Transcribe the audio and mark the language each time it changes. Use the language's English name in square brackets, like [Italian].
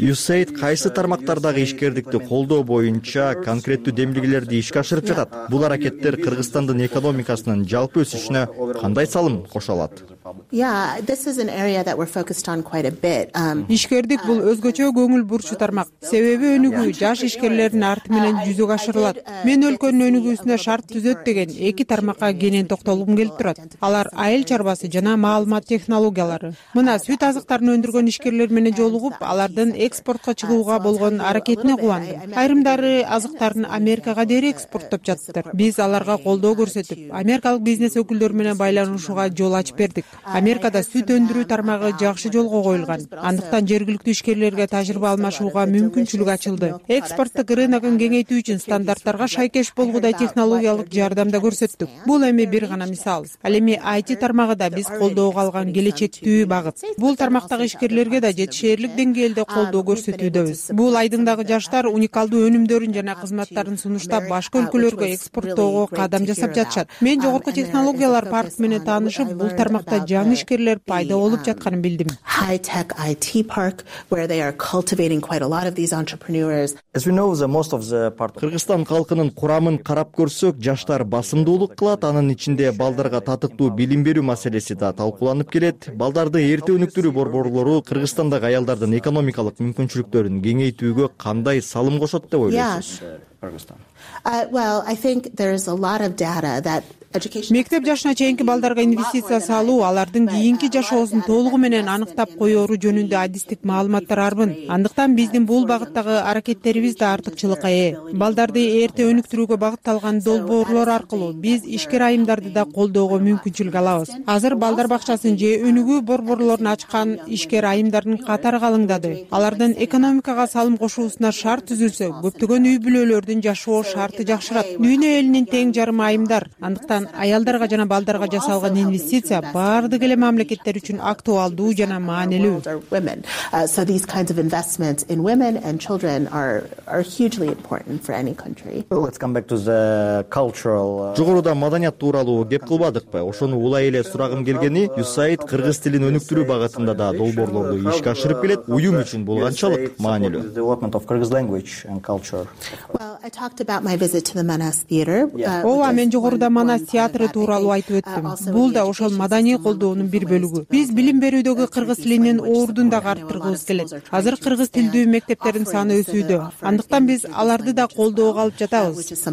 [Kyrgyz] USAID кайсы тармактардагы ишкердикти колдоо боюнча конкреттүү демилгелерди ишке ашырып жатат? Бул аракеттер Кыргызстандын экономикасынын жалпы өсүшүнө кандай салым кошо алат? [English] Yeah, this is an area that we're focused on quite a bit. [Kyrgyz] Ишкердик бул өзгөчө көңүл бурчу тармак. Себеби өнүгүү жаш ишкерлердин арты менен жүзөгө ашырылат. Мен өлкөнүн өнүгүүсүнө шарт түзөт деген эки тармакка кенен токтолгум келип турат. Алар айыл чарбасы жана маалымат технологиялары. Мына сүт азыктарын өндүргөн ишкер кызматкерлер менен жолугуп, алардын экспортко чыгууга болгон аракетине кубандым. Айрымдары азыктарын Америкага дээр экспорттоп жатты. Биз аларга колдоо көрсөтүп, Америкалык бизнес өкүлдөрү менен байланышууга жол ачып бердик. Америкада сүт өндүрүү тармагы жакшы жолго коюлган. Андыктан жергиликтүү ишкерлерге тажрыйба алмашууга мүмкүнчүлүк ачылды. Экспорттук рыногун кеңейтүү үчүн стандарттарга шайкеш болгудай технологиялык жардам да көрсөттүк. Бул эми бир гана мисал. Ал эми IT тармагында биз колдоого алган келечектүү багыт. Бул тармактагы ишкерлерге да жетишерлик деңгээлде колдоо көрсөтүүдөбүз. Бул айдындагы жаштар уникалдуу өнүмдөрүн жана кызматтарын сунуштап башка өлкөлөргө экспорттоого кадам жасап жатышат. Мен жогорку технологиялар парк менен таанышып, бул тармакта жаңы ишкерлер пайда болуп жатканын билдим. [English] High-tech IT park where they are cultivating quite a lot of these entrepreneurs. As we know, most of the part [Kyrgyz] Кыргызстан халкынын курамын карап көрсөк, жаштар басымдуулук кылат, анын ичинде балдарга татыктуу билим берүү маселеси да талкууланып келет. Балдарды эрте өнүктүрүү борборлору Кыргызстандагы аялдардын экономикалык мүмкүнчүлүктөрүн кеңейтүүгө кандай салым кошот деп ойлойсуз? [English] I think there is a lot of data that [Kyrgyz] мектеп жашына чейинки балдарга инвестиция салуу алардын кийинки жашоосун толугу менен аныктап коёру жөнүндө адистик маалыматтар арбын. Андыктан биздин бул багыттагы аракеттерибиз да артыкчылыкка ээ. Балдарды эрте өнүктүрүүгө багытталган долбоорлор аркылуу биз ишкер айымдарды да колдоого мүмкүнчүлүк алабыз. Азыр балдар бакчасын же өнүгүү борборлорун ачкан ишкер айымдардын катары калыңдады. Алардын экономикага салым кошуусуна шарт түзүлсө, көптөгөн үй бүлөлөрдүн жашоо шарты жакшырат. Дүйнө элинин тең жарымы айымдар. Андыктан аялдарга жана балдарга жасалган инвестиция баардык эле мамлекеттер үчүн актуалдуу жана маанилүү. [English] So these kinds of investments in women and children are hugely important for any country. Let's come back to the cultural. [Kyrgyz] Жогоруда маданият тууралуу кеп кылбадыкпы? Ошону улай эле сурагым келгени, USAID кыргыз тилин өнүктүрүү багытында да долбоорлорду ишке ашырып келет. Уюм үчүн бул канчалык маанилүү? [English] The development of Kyrgyz language and culture. Well, I talked about my visit to the Manas theater. [Kyrgyz] Ооба, мен жогоруда Манас театры тууралуу айтып өттүм. Бул да ошол маданий колдоонун бир бөлүгү. Биз билим берүүдөгү кыргыз тилинин ордун дагы арттыргыбыз келет. Азыр кыргыз тилдүү мектептердин саны өсүүдө. Андыктан биз аларды да колдоого алып жатабыз.